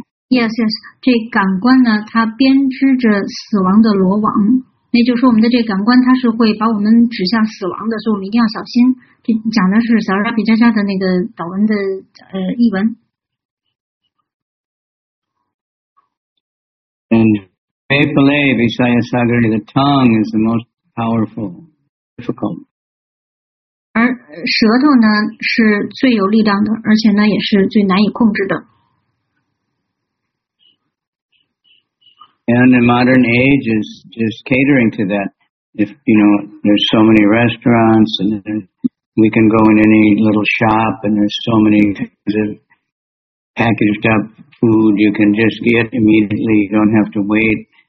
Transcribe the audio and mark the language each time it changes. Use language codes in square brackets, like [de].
[en] Yes, yes. [zh] 这感官呢，它编织着死亡的罗网。那就是我们的这感官，它是会把我们指向死亡的，所以我们一定要小心。这讲的是小拉比扎加的那个祷文的译文。 [en] And Vipale Vishaya Sagari, the tongue is the most powerful, difficult. [zh] 而舌头呢是最有力量的，而且呢也是最难以控制的。 [en] And the modern age is just catering to that. If, you know, there's so many restaurants and we can go in any little shop and there's so many things that packaged up. Food, you can just get immediately. You don't have to wait.